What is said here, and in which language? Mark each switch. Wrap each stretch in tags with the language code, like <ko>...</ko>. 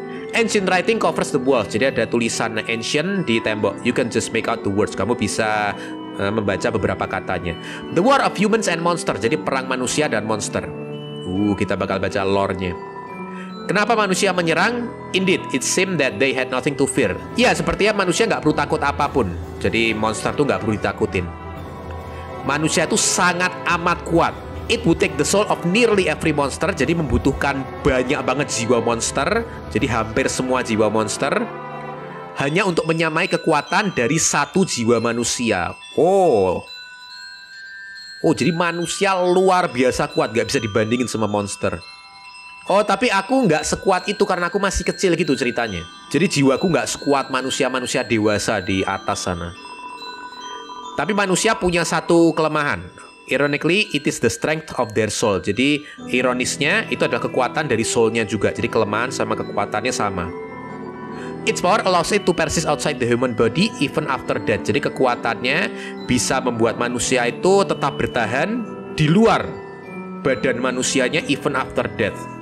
<en>Ancient writing covers the wall.</en> <id>Jadi ada tulisan ancient di tembok.</id> <en>You can just make out the words.</en> <id>Kamu bisa membaca beberapa katanya.</id> <en>The war of humans and monsters.</en> <id>Jadi perang manusia dan monster. Kita bakal baca lore-nya. Kenapa manusia menyerang?</id> <en>Indeed, it seemed that they had nothing to fear.</en> <id>Ya, sepertinya manusia nggak perlu takut apapun. Jadi monster tuh nggak perlu ditakutin. Manusia tuh sangat amat kuat.</id> <en>It would take the soul of nearly every monster.</en> <id>Jadi membutuhkan banyak banget jiwa monster. Jadi hampir semua jiwa monster. Hanya untuk menyamai kekuatan dari satu jiwa manusia. Oh, jadi manusia luar biasa kuat. Gak bisa dibandingin sama monster. Oh, tapi aku gak sekuat itu karena aku masih kecil gitu ceritanya. Jadi jiwaku gak sekuat manusia-manusia dewasa di atas sana. Tapi manusia punya satu kelemahan.</id> <en>Ironically, it is the strength of their soul.</en> <id>Jadi, ironisnya, itu adalah kekuatan dari soul-nya juga. Jadi, kelemahan sama kekuatannya sama.</id> <en>Its power allows it to persist outside the human body even after death.</en> <id>Jadi, kekuatannya bisa membuat manusia itu tetap bertahan di luar badan manusianya</id> <en>even after death.</en>